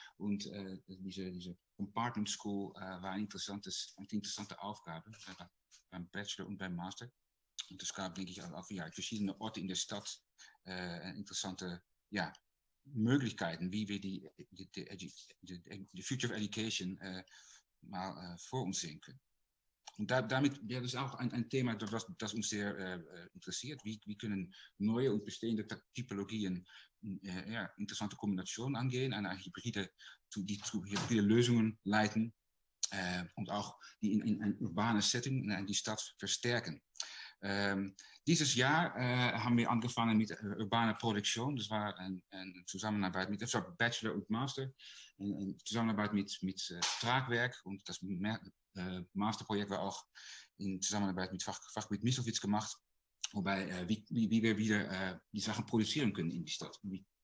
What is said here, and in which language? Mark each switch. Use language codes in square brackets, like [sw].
[de] Und diese Compartment School war eine interessante Aufgabe. Beim Bachelor und beim Master. Und das gab, denk ich, auf verschiedene Orte in der Stad interessante Möglichkeiten, wie wir die Future of Education [nl] voor ons zien kunnen. En daarmee is dus ook een thema dat ons zeer interesseert. Wie kunnen nieuwe en bestaande typologieën interessante combinaties aangeven en hybride lösungen leiden en ook die in een urbane setting in die stad versterken. [de] Dieses Jahr haben wir angefangen mit urbaner Produktion. Das war eine Bachelor und Master. Eine Zusammenarbeit mit Tragwerk. Und das Masterprojekt war auch in Zusammenarbeit mit Fachgebiet Misowitz gemacht. Wobei, wie wir wieder die Sachen produzieren können in die Stadt. Wie